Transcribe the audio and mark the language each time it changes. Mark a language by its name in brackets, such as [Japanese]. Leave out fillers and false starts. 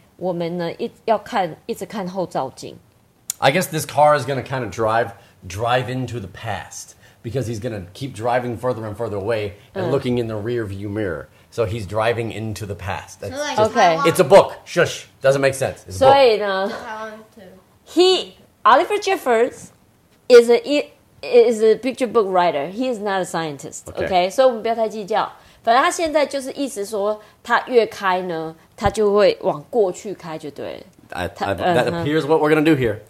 [Chinese] 我们呢要看一直看后照镜。 [English] I guess this car is going to kind of drive into the past because he's going to keep driving further and further away and looking in the rear view mirror. So he's driving into the past. That's so, like, just, okay. It's a book. Shush. Doesn't make sense. It's a book. [Chinese] 所以呢 [English] he, Oliver Jeffers is a picture book writer. He is not a scientist. Okay. [Chinese] So 我们不要太计较。反正他现在就是意思说他越开呢他就会往过去开就对了。 [English] That appears what we're going to do here.